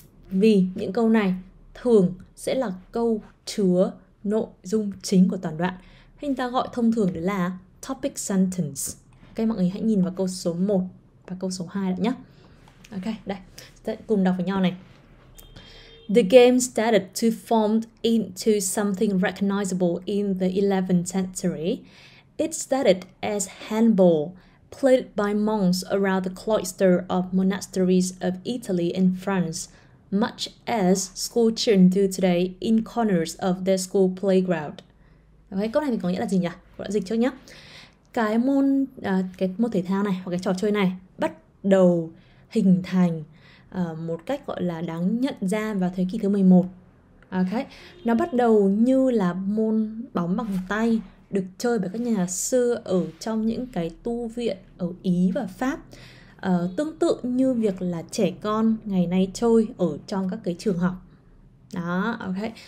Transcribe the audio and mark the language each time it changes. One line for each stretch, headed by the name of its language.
Vietnamese: Vì những câu này thường sẽ là câu chứa nội dung chính của toàn đoạn, hay người ta gọi thông thường đó là topic sentence. Ok, mọi người hãy nhìn vào câu số 1 và câu số 2 đã nhé. Ok, đây, chúng ta cùng đọc với nhau này.
English: The game started to form into something recognizable in the 11th century. It started as handball, played by monks around the cloister of monasteries of Italy and France, much as school children do today in corners of their school playground.
Vietnamese: Okay, câu này thì có nghĩa là gì nhỉ? Cô đã dịch trước nhé. Cái môn thể thao này hoặc cái trò chơi này bắt đầu hình thành một cách gọi là đáng nhận ra vào thế kỷ thứ 11. Okay. Nó bắt đầu như là môn bóng bằng tay được chơi bởi các nhà sư ở trong những cái tu viện ở Ý và Pháp, tương tự như việc là trẻ con ngày nay chơi ở trong các cái trường học. Đó, okay.